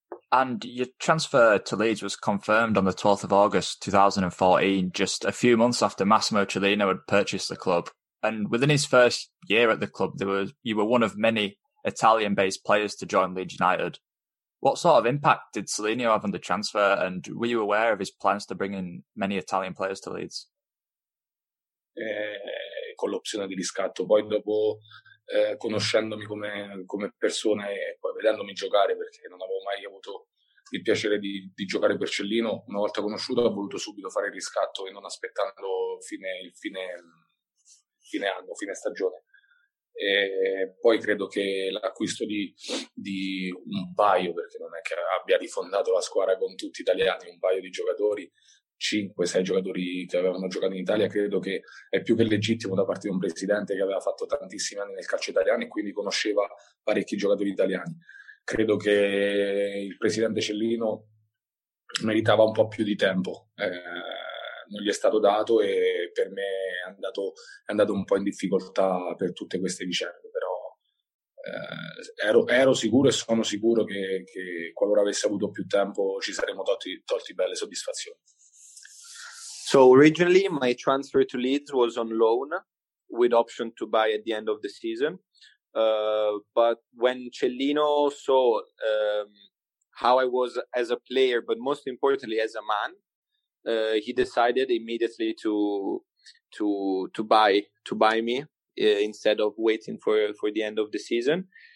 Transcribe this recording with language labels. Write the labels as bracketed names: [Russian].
[English] And your transfer to Leeds was confirmed on the 12th of August 2014, just a few months after Massimo Cellino had purchased the club. And within his first year at the club, you were one of many Italian-based players to join Leeds United. What sort of impact did Cellino have on the transfer, and were you aware of his plans to bring in many Italian players to Leeds? [Italian] Con l'opzione di riscatto, poi dopo conoscendomi come persona e poi vedendomi giocare, perché non avevo mai avuto il piacere di giocare per Cellino, una volta conosciuto ho voluto subito fare il riscatto e non aspettando fine anno, fine stagione. E poi credo che l'acquisto di un paio, perché non è che abbia rifondato la squadra con tutti italiani, un paio di giocatori, 5-6 giocatori che avevano giocato in Italia, credo che è più che legittimo da parte di un presidente che aveva fatto tantissimi anni nel calcio italiano e quindi conosceva parecchi giocatori italiani. Credo che il presidente Cellino meritava un po' più di tempo, non gli è stato dato, e per me è andato un po' in difficoltà per tutte queste vicende, però ero sicuro e sono sicuro che qualora avesse avuto più tempo ci saremmo tolti belle soddisfazioni. [English] So originally my transfer to Leeds was on loan with option to buy at the end of the season. But when Cellino saw how I was as a player, but most importantly as a man, he decided immediately to buy me instead of waiting for the end of the season.